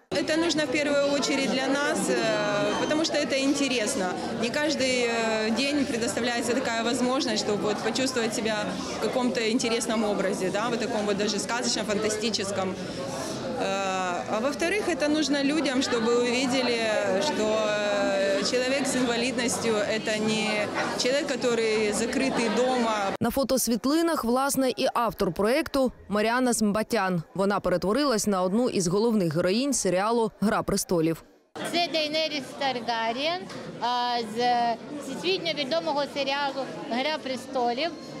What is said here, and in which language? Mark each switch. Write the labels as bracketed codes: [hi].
[uk] Це потрібно в першу чергу для нас, тому що це цікаво. Не кожен день предоставляється така можливість, щоб почувствувати себе в якомусь цікавому образі, в такому навіть сказочному, фантастичному. [ru] А во-вторых, [uk] це потрібно людям, щоб побачили, що [ru] человек с инвалидностью – это не человек, который закрытый дома. [uk] На фотосвітлинах, власне, і автор проекту Маріана Смбатян. Вона перетворилась на одну із головних героїнь серіалу «Гра престолів». Це Дейенерис Таргаріен з світовно відомого серіалу «Гра престолів».